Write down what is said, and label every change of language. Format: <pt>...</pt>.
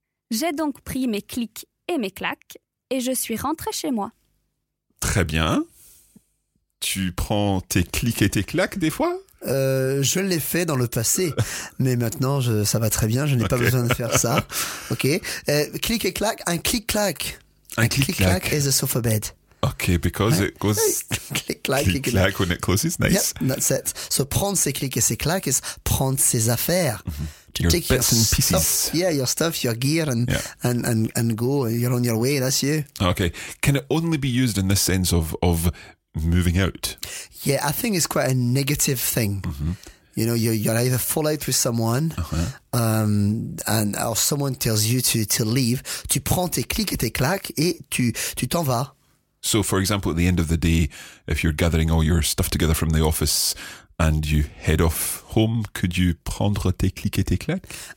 <fr>J'ai donc pris mes clics et mes claques et je suis rentrée chez moi. Très bien. Tu prends tes clics et tes claques des fois ? Je l'ai fait dans le passé, mais maintenant ça va très bien, je n'ai pas besoin de faire ça. Ok, clic et claque, un clic-clac. Un clic-clac</fr> <en>is a sofa bed. Okay, because it goes click-clack when it closes. Nice. Yep, that's it. So,</en> <fr>prendre ses clics et ses claques</fr> <en>is</en> <fr>prendre ses affaires.</fr> <en>Mm-hmm. To your take bits and pieces. Stuff, yeah, your stuff, your gear, and go. You're on your way, that's you. Okay. Can it only be used in the sense of moving out? Yeah, I think it's quite a negative thing. Mm-hmm. You know, you're either fall out with someone, or someone tells you to leave.</en> <fr>Tu prends tes clics et tes claques et tu t'en vas.</fr> <en>So, for example, at the end of the day, if you're gathering all your stuff together from the office and you head off home, could you</en> <fr>prendre tes clics et tes claques?</fr>